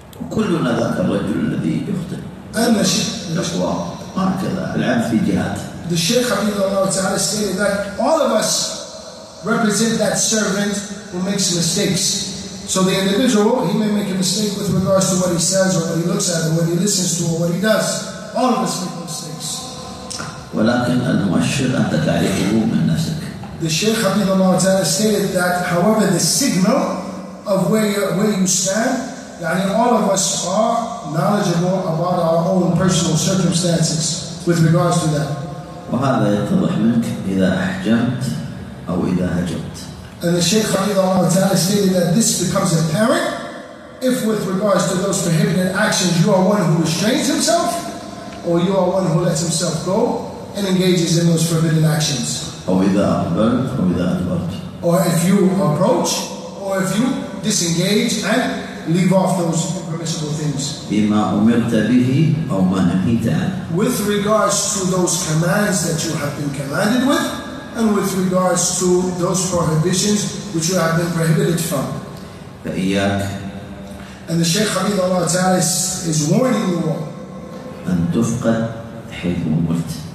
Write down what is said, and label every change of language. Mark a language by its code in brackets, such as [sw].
[ar] كلنا ذاك الرجل الذي يخطئ. أن الشيخ الأقوى هكذا العام في جهات. [en] The Shaykh [ar] حفظه الله تعالى [en] stated that all of us represent that servant who makes mistakes. So the individual, he may make a mistake with regards to what he says or what he looks at or what he listens to or what he does. All of us make mistakes. [ar] ولكن المؤشر أن تعرفه من نفسك. [en] The Shaykh [ar] حفظه الله تعالى [en] stated that however the signal of where you stand, يعني all of us are knowledgeable about our own personal circumstances with regards to that. [ar] وهذا يتضح منك إذا أحجمت أو إذا هجمت. [en] And the Shaykh Hafidhullah Ta'ala stated that this becomes apparent if with regards to those prohibited actions you are one who restrains himself or you are one who lets himself go and engages in those forbidden actions. [ar] أو إذا أقبلت أو إذا أدبرت. [en] Or if you approach or if you disengage and leave off those impermissible things. [ar] بما أمرت به أو ما نهيت عنه. [en] With regards to those commands that you have been commanded with, and with regards to those prohibitions which you have been prohibited from. [ar] فإياك. [en] And the Shaykh Hafidhullah Ta'ala is warning you all. [ar] أن تفقد حيث أمرت.